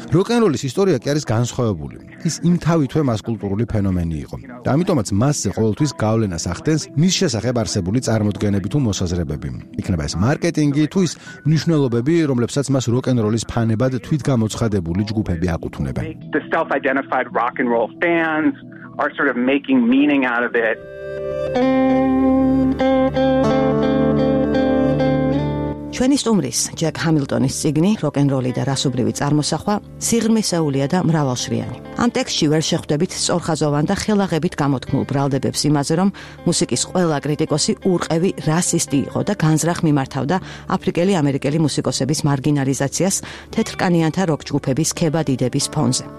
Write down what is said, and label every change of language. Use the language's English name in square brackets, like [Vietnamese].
[Georgian] როკ-ენ-როლის ისტორია კი არის განსხვავებული. ის იმთავითვე მასკულტურული ფენომენი იყო და ამიტომაც მასზე ყოველთვის გავლენას ახდენს მის შესახებ არსებული წარმოდგენები თუ მოსაზრებები. იქნება ეს მარკეტინგი თუ ის მნიშვნელობები, რომლებსაც მას როკ-ენ-როლის ფანებად თვითგამოცხადებული ჯგუფები აკუთვნებენ. [English] The self-identified rock and roll fans are sort of making meaning out of it. [Georgian] ჩვენი სტუმრის, ჯეკ ჰამილტონის წიგნი როკ-ენ-როლი და რასობრივი წარმოსახვა სიღრმისეულია და მრავალშრიანი. ამ ტექსტში ვერ შეხვდებით სწორხაზოვან და ხელაღებით გამოთქმულ ბრალდებებს იმაზე, რომ მუსიკის ყველა კრიტიკოსი ურყევი რასისტი იყო და განზრახ მიმართავდა აფრიკელი ამერიკელი მუსიკოსების მარგინალიზაციას თეთრკანიანთა როკ-ჯგუფების ქებადიდების ფონზე.